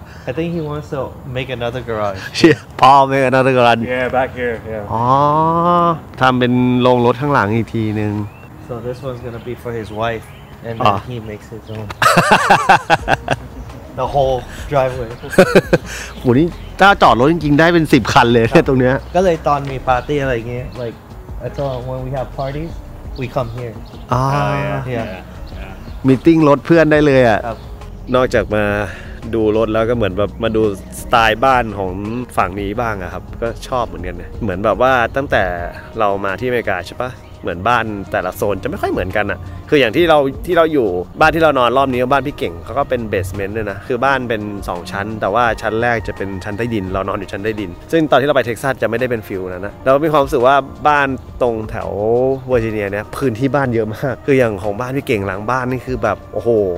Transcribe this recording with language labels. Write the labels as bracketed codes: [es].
[en] I think he wants to make another garage yeah Paul make another garage yeah back here yeah [th] อ๋อทำเป็นโรงรถข้างหลังอีกทีนึง [en] So this one's gonna be for his wife, and then he makes his own. The whole driveway. [th] โหนี่ถ้าจอดรถจริงๆได้เป็น10คันเลยเนี่ยตรงเนี้ย ก็เลยตอนมีปาร์ตี้อะไรอย่างเงี้ย [en] like I thought when we have parties we come here. Yeah. [th] Meeting รถเพื่อนได้เลยอ่ะ นอกจากมาดูรถแล้วก็เหมือนแบบมาดูสไตล์บ้านของฝั่งนี้บ้างอะครับก็ชอบเหมือนกันนะเหมือนแบบว่าตั้งแต่เรามาที่อเมริกาใช่ปะเหมือนบ้านแต่ละโซนจะไม่ค่อยเหมือนกันอ่ะคืออย่างที่เราอยู่บ้านที่เรานอนรอบนี้บ้านพี่เก่งเขาก็เป็นเบสเมนต์เลยนะคือบ้านเป็น2ชั้นแต่ว่าชั้นแรกจะเป็นชั้นใต้ดินเรานอนอยู่ชั้นใต้ดินซึ่งตอนที่เราไปเท็กซัสจะไม่ได้เป็นฟิลนะนะเรามีความรู้สึกว่าบ้านตรงแถวเวอร์จิเนียเนี่ยพื้นที่บ้านเยอะมากคืออย่างของบ้านพี่เก่งหลังบ้านนี่คือแบบโอ้โห